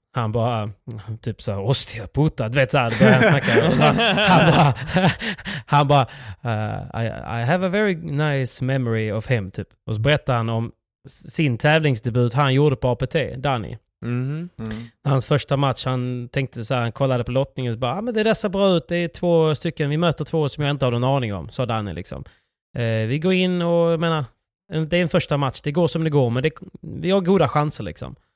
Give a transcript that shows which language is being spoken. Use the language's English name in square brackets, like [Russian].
[Swedish] han bara typ så här, osteopota, du vet så här, började snacka. han bara [English] I have a very nice memory of him [Swedish] typ. Och så berättade han om sin tävlingsdebut han gjorde på APT, Danny. Mm-hmm. Hans första match, han tänkte så här, han kollade på lottningen och bara, ah, men det där ser bra ut, det är två stycken, vi möter två som jag inte har någon aning om, sa Danny liksom. Vi går in och menar, det är en första match, det går som det går, men det, vi har goda chanser liksom.